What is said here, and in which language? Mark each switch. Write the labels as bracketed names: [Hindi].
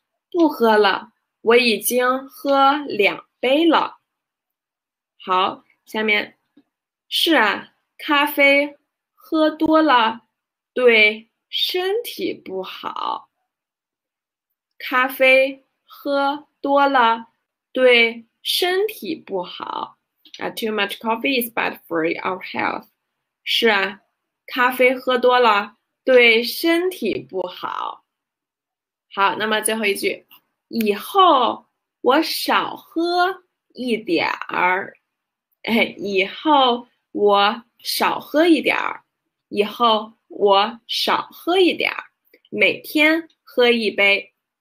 [Chinese] 不喝了，我已经喝两杯了。好，下面，是啊，咖啡喝多了对身体不好。咖啡喝多了对。身体不好啊， [English] too much coffee is bad for our health。 [Chinese] 是啊，咖啡喝多了对身体不好。好，那么最后一句，以后我少喝一点儿。哎，以后我少喝一点儿，以后我少喝一点儿，每天喝一杯。